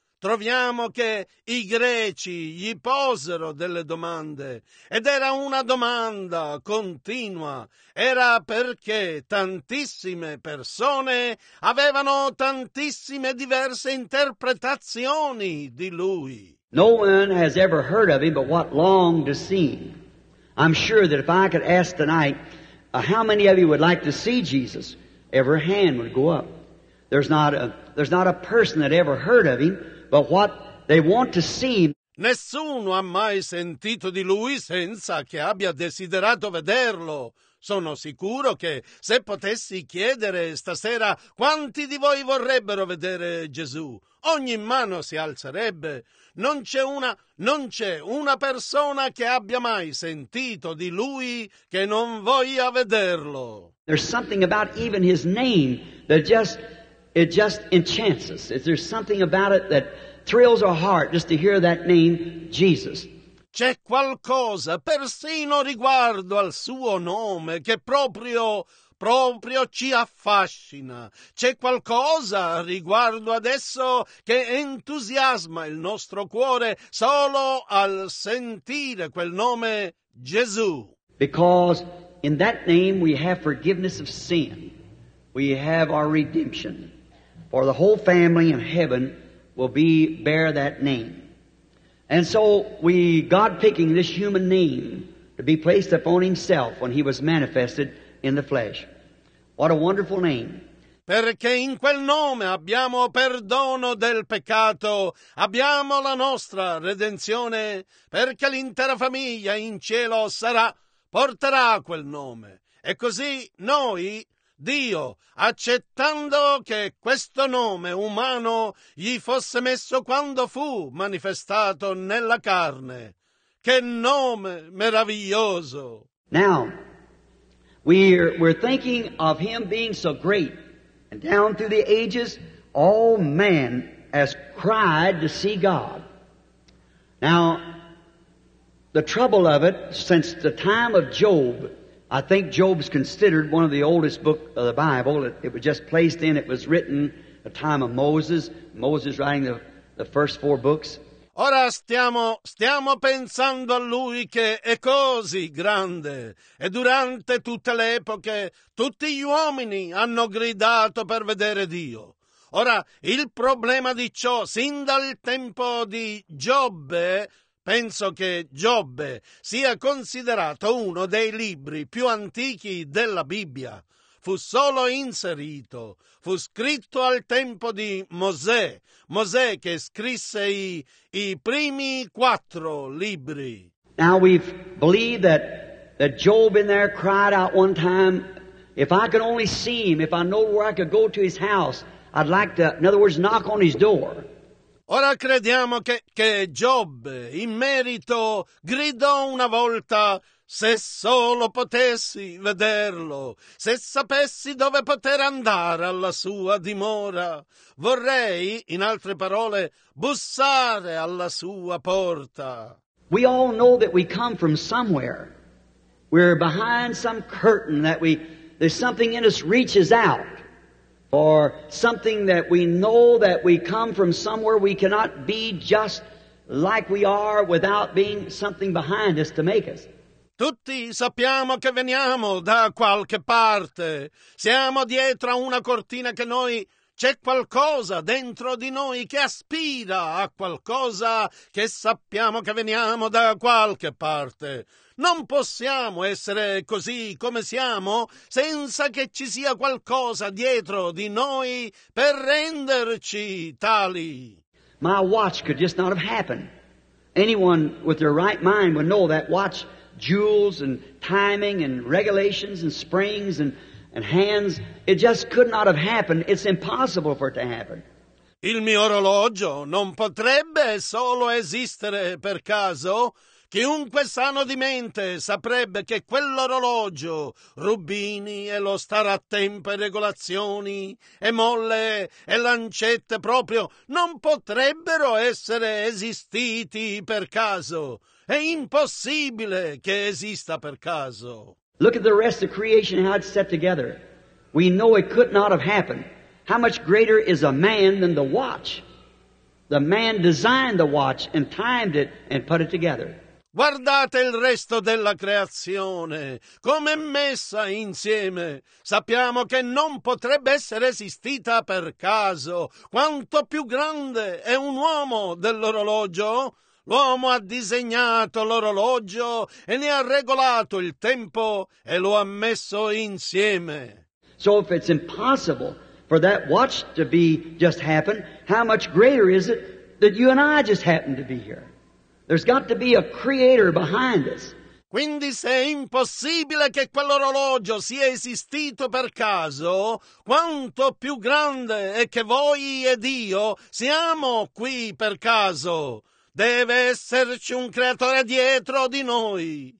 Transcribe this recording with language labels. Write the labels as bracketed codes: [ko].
[it] Troviamo che i greci gli posero delle domande ed era una domanda continua. Era perché tantissime persone avevano tantissime diverse interpretazioni di lui. [en] No one has ever heard of him but what longed to see him. I'm sure that if I could ask tonight, how many of you would like to see Jesus, every hand would go up. There's not a person that ever heard of him, but what they want to see. [it] Nessuno ha mai sentito di lui senza che abbia desiderato vederlo. Sono sicuro che se potessi chiedere stasera quanti di voi vorrebbero vedere Gesù, ogni mano si alzerebbe. Non c'è una persona che abbia mai sentito di lui che non voglia vederlo. [en] There's something about even his name that just enchants us. Is there something about it that thrills our heart just to hear that name, Jesus? [it] C'è qualcosa persino riguardo al suo nome che proprio ci affascina. C'è qualcosa riguardo adesso che entusiasma il nostro cuore solo al sentire quel nome Gesù. [en] Because in that name we have forgiveness of sin. We have our redemption. For the whole family in heaven will bear that name. And so we, God picking this human name to be placed upon himself when he was manifested in the flesh. What a wonderful name. [it] Perché in quel nome abbiamo perdono del peccato, abbiamo la nostra redenzione, perché l'intera famiglia in cielo porterà quel nome. E così noi, Dio, accettando che questo nome umano gli fosse messo quando fu manifestato nella carne. Che nome meraviglioso! [en] Now, We're thinking of him being so great. And down through the ages, all man has cried to see God. Now, the trouble of it, since the time of Job, I think Job's considered one of the oldest book of the Bible. It was just placed in. It was written the time of Moses. Moses writing the first four books. [it] Ora stiamo pensando a lui che è così grande e durante tutte le epoche tutti gli uomini hanno gridato per vedere Dio. Ora il problema di ciò sin dal tempo di Giobbe, penso che Giobbe sia considerato uno dei libri più antichi della Bibbia. Fu solo inserito, fu scritto al tempo di Mosè, Mosè che scrisse i primi quattro libri. [en] Now we believe that Job in there cried out one time, if I could only see him, if I know where I could go to his house, I'd like to, in other words, knock on his door. [it] Ora crediamo che Giobbe in merito gridò una volta, se solo potessi vederlo, se sapessi dove poter andare alla sua dimora, vorrei, in altre parole, bussare alla sua porta. [en] We all know that we come from somewhere. We're behind some curtain that there's something in us reaches out. Or something that we know that we come from somewhere, we cannot be just like we are without being something behind us to make us. [it] Tutti sappiamo che veniamo da qualche parte, siamo dietro a una cortina che noi, c'è qualcosa dentro di noi che aspira a qualcosa che sappiamo che veniamo da qualche parte. Non possiamo essere così come siamo senza che ci sia qualcosa dietro di noi per renderci tali. [en] My watch could just not have happened. Anyone with their right mind would know that watch. Jewels and timing and regulations and springs and hands, it just could not have happened. It's impossible for it to happen. [it] Il mio orologio non potrebbe solo esistere per caso. Chiunque sano di mente saprebbe che quell'orologio, rubini e lo stare a tempo e regolazioni e molle e lancette proprio, non potrebbero essere esistiti per caso. È impossibile che esista per caso. [en] Look at the rest of creation, how it's set together. We know it could not have happened. How much greater is a man than the watch? The man designed the watch and timed it and put it together. [it] Guardate il resto della creazione, come è messa insieme. Sappiamo che non potrebbe essere esistita per caso. Quanto più grande è un uomo dell'orologio? L'uomo ha disegnato l'orologio e ne ha regolato il tempo e lo ha messo insieme. [en] So if it's impossible for that watch to be just happen, how much greater is it that you and I just happen to be here? There's got to be a creator behind us. [it] Quindi se è impossibile che quell'orologio sia esistito per caso, quanto più grande è che voi ed io siamo qui per caso. Deve esserci un creatore dietro di noi.